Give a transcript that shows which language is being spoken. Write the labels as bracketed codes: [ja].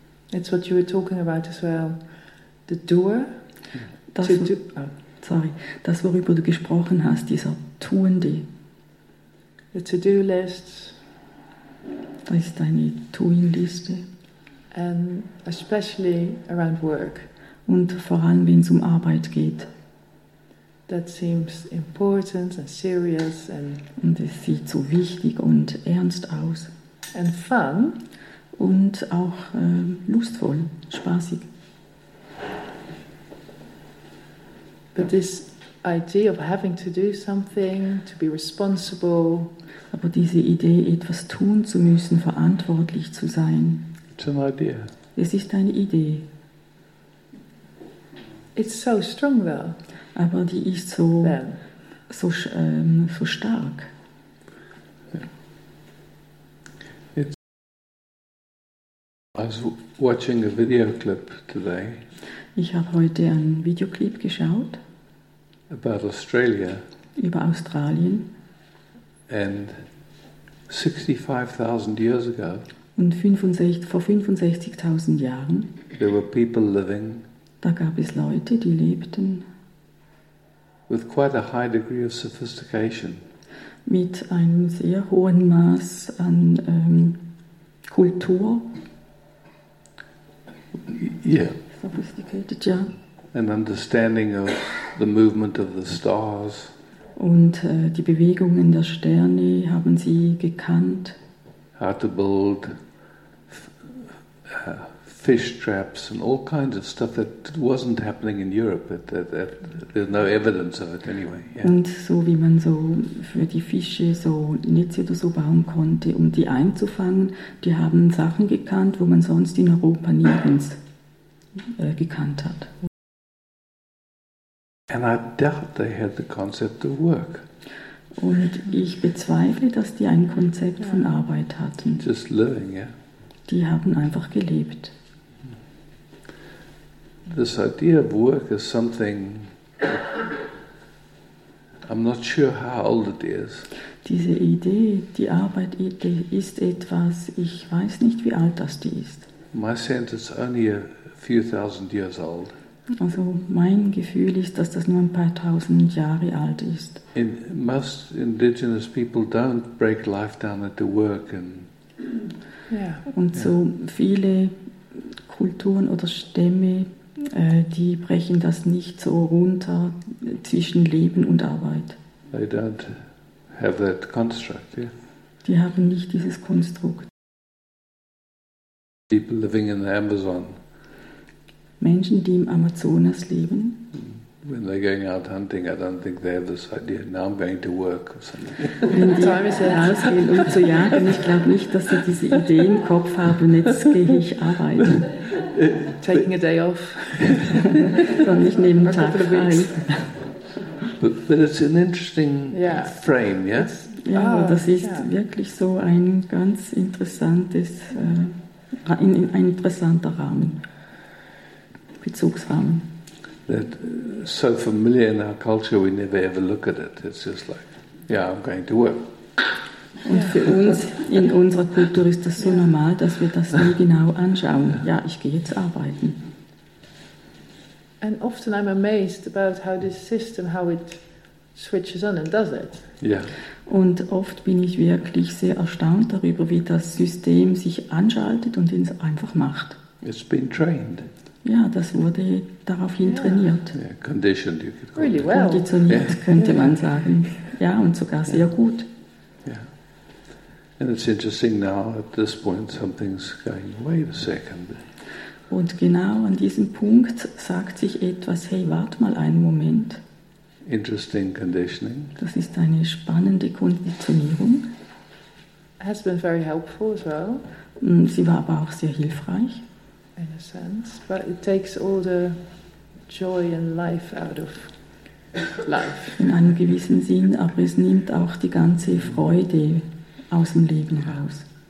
[en] It's what you were talking about as well. The door. Das, to do, oh. [de] Sorry, das worüber du gesprochen hast, dieser Tuende. [en] The to-do list. [de] Das ist eine To-Do-Liste. [en] And especially around work. [de] Und vor allem, wenn es um Arbeit geht. [en] That seems important and serious and. [de] Und es sieht so wichtig und ernst aus. [en] And fun. [de] Und auch lustvoll, spaßig. [en] But this idea of having to do something, to be responsible. [de] Aber diese Idee, etwas tun zu müssen, verantwortlich zu sein. [en] It's an idea. [de] Es ist eine Idee. [en] It's so strong though. [de] Aber die ist so, so stark. [en] I was watching a video clip today. [de] Ich habe heute einen Videoclip geschaut. [en] About Australia. [de] Über Australien. [en] And 65,000 years ago. [de] Und vor 65,000 Jahren. [en] There were people living. [de] Da gab es Leute, die lebten. [en] With quite a high degree of sophistication. [de] Mit einem sehr hohen Maß an Kultur. [en] Yeah. Sophisticated, yeah. An understanding of the movement of the stars. [de] Und die Bewegungen der Sterne haben sie gekannt. [en] How to build fish traps and all kinds of stuff that wasn't happening in Europe. That there's no evidence of it anyway. Yeah. [de] Und so wie man so für die Fische so Netze oder so bauen konnte, um die einzufangen, die haben Sachen gekannt, wo man sonst in Europa nirgends gekannt hat. [en] And I doubt they had the concept of work. [de] Und ich bezweifle, dass die ein Konzept von Arbeit hatten. [en] Just living, yeah. [de] Die haben einfach gelebt. [en] This idea of work is something I'm not sure how old it is. [de] Diese Idee, die Arbeit ist etwas, ich weiß nicht, wie alt das die ist. [en] My sense is only a few thousand years old. [de] Also mein Gefühl ist, dass das nur ein paar tausend Jahre alt ist. [en] In most indigenous people don't break life down into work and yeah. [de] Und so viele Kulturen oder Stämme, die brechen das nicht so runter zwischen Leben und Arbeit. [en] They don't have that construct, yeah. [de] Die haben nicht dieses Konstrukt. [en] People living in the Amazon. [de] Menschen, die im Amazonas leben. [en] When they're going out hunting, I don't think they have this idea. Now I'm going to work or something. [de] Wenn die rausgehen, um zu jagen, ich glaube nicht, dass sie diese Idee im Kopf haben, jetzt gehe ich arbeiten. [en] Taking a day off. [de] Sondern ich nehme einen Tag frei. [en] But it's an interesting frame, yes? [de] Ja, das ist wirklich so ein ganz interessantes, ein interessanter Rahmen. Bezugsrahmen. [en] That so familiar in our culture, we never ever look at it. It's just like, yeah, I'm going to work. [de] Und für uns in unserer Kultur ist das so normal, dass wir das nie genau anschauen. Ja, ich gehe jetzt arbeiten. [en] And often I'm amazed about how this system, how it switches on and does it. Yeah. [de] Und oft bin ich wirklich sehr erstaunt darüber, wie das System sich anschaltet und es einfach macht. [en] It's been trained. [de] Ja, das wurde daraufhin trainiert. [en] Yeah, conditioned, you could call really it. Well. [de] Konditioniert, könnte man sagen. Ja, und sogar sehr gut. [en] Yeah. And it's interesting now, at this point, something's going, wait a second. [de] Und genau an diesem Punkt sagt sich etwas, hey, warte mal einen Moment. [en] Interesting conditioning. [de] Das ist eine spannende Konditionierung. [en] Has been very helpful as well. [de] Sie war aber auch sehr hilfreich. [en] In a sense, but it takes all the joy and life out of life. [de] In einem gewissen Sinn, aber es nimmt auch die ganze Freude aus dem Leben raus.